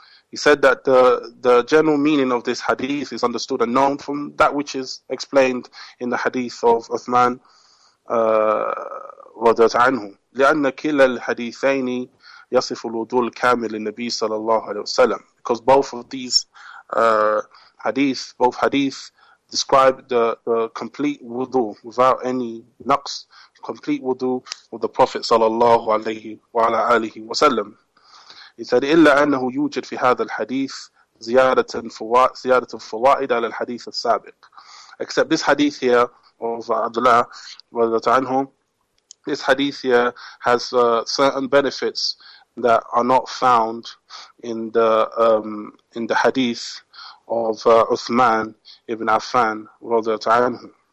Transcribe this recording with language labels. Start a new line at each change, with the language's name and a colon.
English: He said that the general meaning of this hadith is understood and known from that which is explained in the hadith of Uthman
Arabic: رضي الله عنه. لأن كلا الحديثين يصف الوضوء الكامل للنبي صلى الله عليه وسلم.
English: Because both of these hadith describe the complete wudu without any naqs, complete wudu of the Prophet sallallahu alayhi wa ala alihi wa sallam. He said,
Arabic: إِلَّا أَنَّهُ يُوجِدْ فِي هَذَا الْحَدِيثِ زِيَادَةً فُوَائِدَ عَلَى الْحَدِيثِ السَّابِقِ.
English: Except this hadith here of Abdullah radiallahu anhu, this hadith here has certain benefits that are not found in the hadith of Uthman ibn Affan radiallahu anhu.